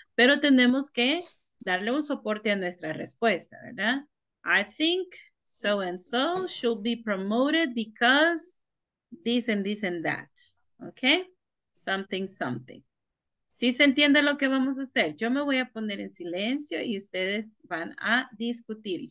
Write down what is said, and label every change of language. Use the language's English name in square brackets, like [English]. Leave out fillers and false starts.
[Spanish] Pero tenemos que darle un soporte a nuestra respuesta, ¿verdad? [English] I think so and so should be promoted because this and that, ¿ok? Something, something. [Spanish] ¿Sí se entiende lo que vamos a hacer? Yo me voy a poner en silencio y ustedes van a discutir.